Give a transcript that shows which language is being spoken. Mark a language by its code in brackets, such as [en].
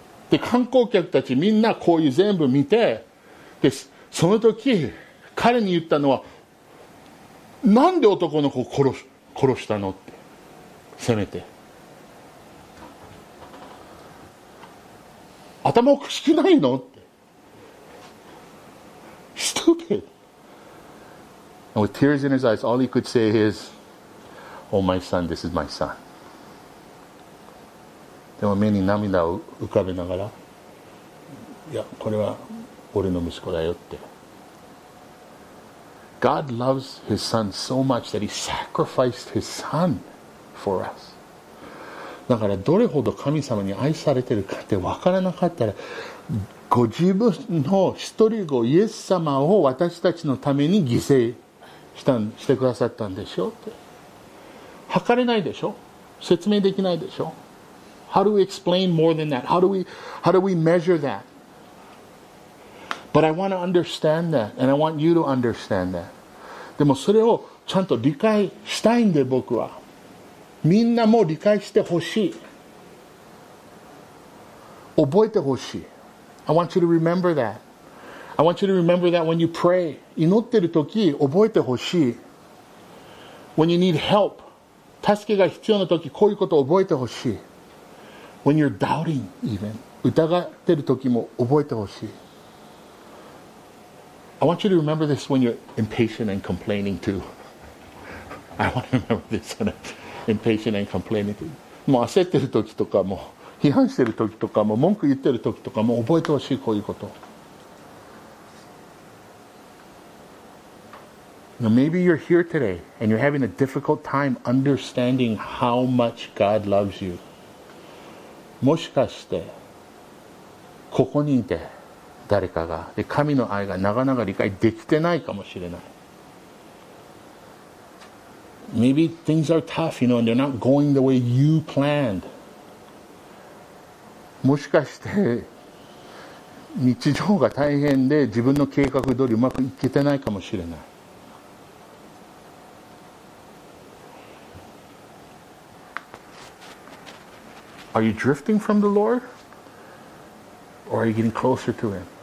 [ja] で観光客たちみんなこういう全部見て、でその時彼に言ったのは、なんで男の子を殺したのって。せめて頭おかしくないのって。 [en] Stupid. And with tears in his eyes, all he could say is, Oh my son, this is my son. [ja] でも目に涙を浮かべながら、いやこれは俺の息子だよって。 [en] God loves His Son so much that He sacrificed His Son for us. [ja] だからどれほど神様に愛されてるかって分からなかったら、ご自分の一人子イエス様を私たちのために犠牲してくださったんでしょうって。測れないでしょ。説明できないでしょ。 [en] How do we explain more than that? How do we measure that? But I want to understand that, and I want you to understand that. [ja] でもそれをちゃんと理解したいんで、僕は。みんなも理解してほしい。覚えてほしい。 [en] I want you to remember that. I want you to remember that when you pray. [ja] 祈ってる時、覚えてほしい。 [en] When you need help. [ja] 助けが必要な時、こういうこと覚えてほしい。 [en] When you're doubting, even. [ja] 疑ってる時も覚えてほしい。 [en] I want you to remember this when you're impatient and complaining too. I want to remember this when I'm impatient and complaining too. [ja] もう焦ってる時とかも、批判してる時とかも、文句言ってる時とかも覚えてほしい、こういうこと。 [en] Now maybe you're here today and you're having a difficult time understanding how much God loves you. [ja] もしかしてここにいて誰かが、で神の愛がなかなか理解できてないかもしれない。 [en] Maybe things are tough, you know, and they're not going the way you planned. [ja] もしかして日常が大変で自分の計画通りうまくいけてないかもしれない。 [en] Are you drifting from the Lord? Or are you getting closer to Him?